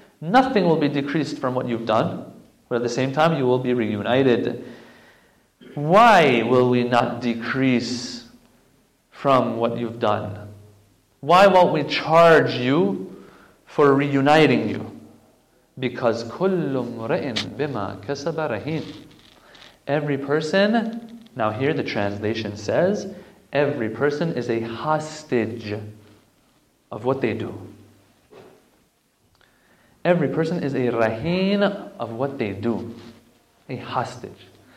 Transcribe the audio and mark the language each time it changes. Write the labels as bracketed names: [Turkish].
[English] Nothing will be decreased from what you've done, but at the same time, you will be reunited. Why will we not decrease from what you've done? Why won't we charge you for reuniting you? Because [Arabic] كُلُّ مُرَئٍ بِمَا كَسَبَ رَهِينٍ. [English] Every person, now here the translation says, every person is a hostage of what they do. Every person is a rahin of what they do. A hostage.